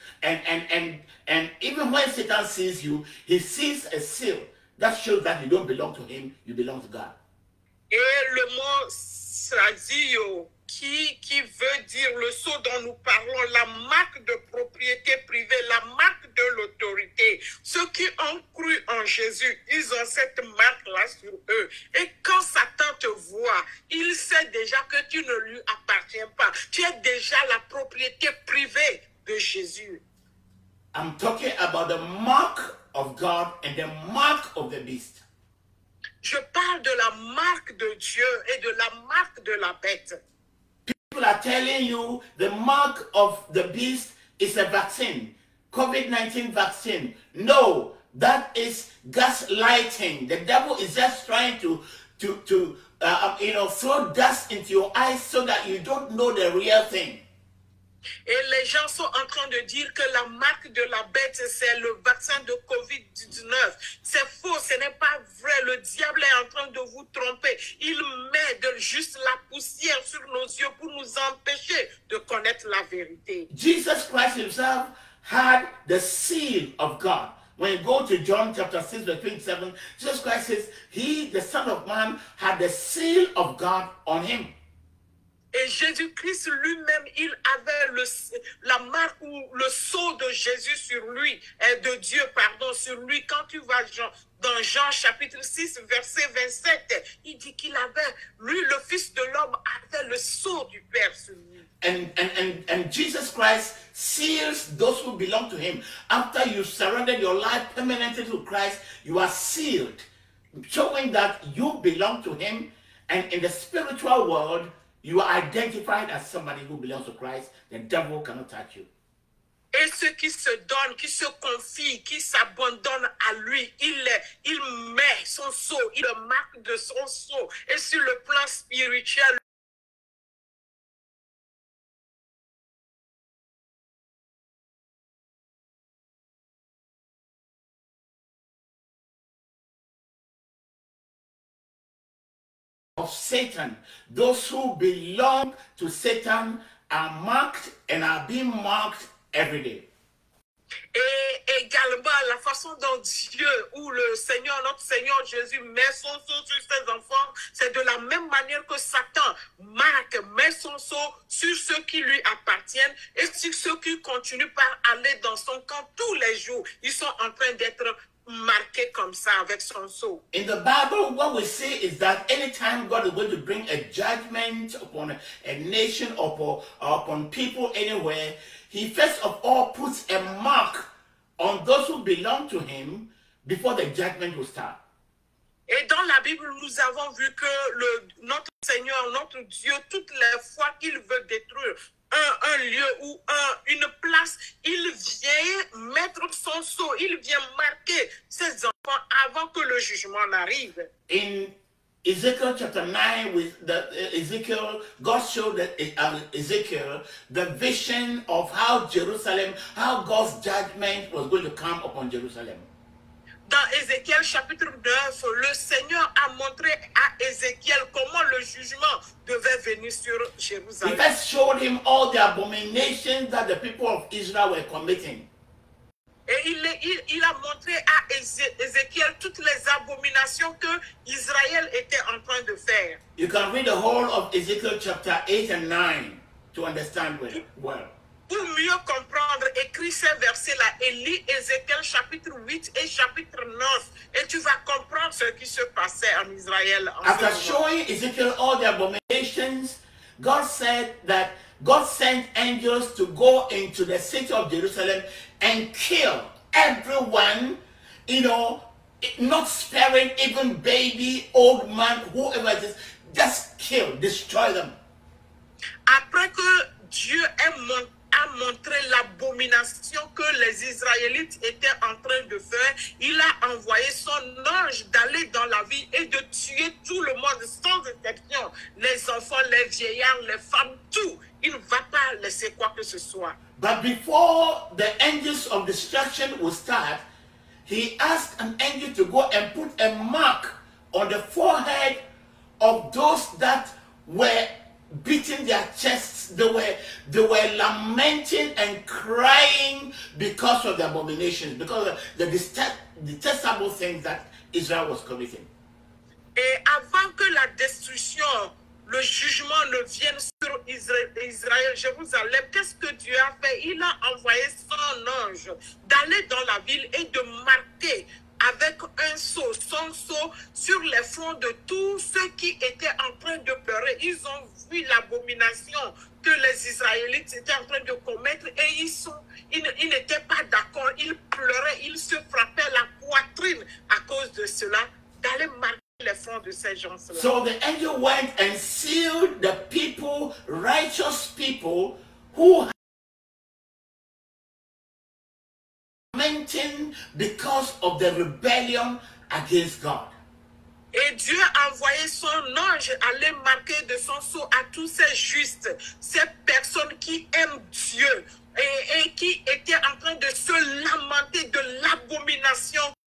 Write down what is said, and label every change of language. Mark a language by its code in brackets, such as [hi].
[en] And even when Satan sees you, he sees a seal. That shows that you don't belong to him, you belong to God. [fr] Et le mot sradio, qui veut dire le sceau dont nous parlons, la marque de propriété privée, la marque de l'autorité. Ceux qui ont cru en Jésus, ils ont cette marque-là sur eux. Et quand Satan te voit, il sait déjà que tu ne lui appartiens pas. Tu es déjà la propriété privée de Jésus. [en] I'm talking about the mark of God and the mark of the beast. [fr] Je parle de la marque de Dieu et de la marque de la bête. [en] People are telling you the mark of the beast is a vaccine, COVID-19 vaccine. No, that is gaslighting. The devil is just trying to throw dust into your eyes so that you don't know the real thing. [fr] Et les gens sont en train de dire que la marque de la bête, c'est le vaccin de COVID-19. C'est faux, ce n'est pas vrai. Le diable est en train de vous tromper. Il met juste la poussière sur nos yeux pour nous empêcher de connaître la vérité. [en] Jesus Christ himself had the seal of God. When you go to John chapter 6, verse 27, Jesus Christ says, he, the Son of Man, had the seal of God on him. [fr] Et Jésus-Christ lui-même, il avait la marque ou le sceau de Jésus sur lui, de Dieu, pardon, sur lui. Quand tu vas dans Jean chapitre 6, verset 27, il dit qu'il avait, lui, le Fils de l'homme, avait le sceau du Père sur lui. [en] And Jesus Christ seals those who belong to him. After you surrendered your life permanently to Christ, you are sealed, showing that you belong to him. And in the spiritual world, you are identified as somebody who belongs to Christ. The devil cannot touch you. [fr] Et ceux qui se donnent, qui se confient, qui s'abandonnent à lui, il met son sceau, il le marque de son sceau. Et sur le plan spirituel, [en] of Satan, those who belong to Satan are marked and are being marked every day. [fr] Et également la façon dont Dieu ou le Seigneur, notre Seigneur Jésus met son sceau sur ses enfants, c'est de la même manière que Satan marque, met son sceau sur ceux qui lui appartiennent et sur ceux qui continuent par aller dans son camp tous les jours. Ils sont en train d'être marqué comme ça avec son sceau. [en] In the Bible, what we see is that anytime God is going to bring a judgment upon a nation or upon people anywhere, he first of all puts a mark on those who belong to him before the judgment will start. [fr] Et dans la Bible, nous avons vu que notre Seigneur, notre Dieu, toutes les fois qu'il veut détruire un lieu ou une place, il vient mettre son sceau, il vient marquer ses enfants avant que le jugement n'arrive. [en] In Ezekiel chapter 9, with the Ezekiel, God showed that Ezekiel the vision of how Jerusalem, how God's judgment was going to come upon Jerusalem. [fr] Dans Ézéchiel chapitre 9, le Seigneur a montré à Ézéchiel comment le jugement devait venir sur Jérusalem. [en] He first showed him all the abominations that the people of Israel were committing. [fr] Et il a montré à Ézéchiel toutes les abominations que Israël était en train de faire. [en] You can read the whole of Ezekiel chapter 8 and 9 to understand well. [fr] Pour mieux comprendre, écris ces versets-là et lis Ézéchiel chapitre 8 et chapitre 9 et tu vas comprendre ce qui se passait en Israël en ce [en] After [fr] moment. [en] showing Ezekiel all the abominations, God said that God sent angels to go into the city of Jerusalem and kill everyone, you know, not sparing even baby, old man, whoever it is, just kill, destroy them. [fr] Après que Dieu a montré l'abomination que les Israélites étaient en train de faire, il a envoyé son ange d'aller dans la ville et de tuer tout le monde sans exception, les enfants, les vieillards, les femmes, tout. Il ne va pas laisser quoi que ce soit. [en] But before the angels of destruction will start, he asked an angel to go and put a mark on the forehead of those that were beating their chests. They were lamenting and crying because of the abominations, because of the detestable things that Israel was committing. [fr] Et avant que la destruction, le jugement ne vienne sur Israël, Jérusalem, qu'est-ce que Dieu a fait? Il a envoyé son ange d'aller dans la ville et de marquer avec un sceau, son sceau, sur les fronts de tous ceux qui étaient en train de pleurer. Ils ont vu l'abomination que les Israélites étaient en train de commettre et ils n'étaient pas d'accord. Ils pleuraient, ils se frappaient la poitrine à cause de cela, d'aller marquer. [en] So the angel went and sealed the people, righteous people, who were lamenting because of the rebellion against God. [fr] Et Dieu a envoyé son ange aller marquer de son sceau à tous ces justes, ces personnes qui aiment Dieu et qui étaient en train de se lamenter de l'abomination.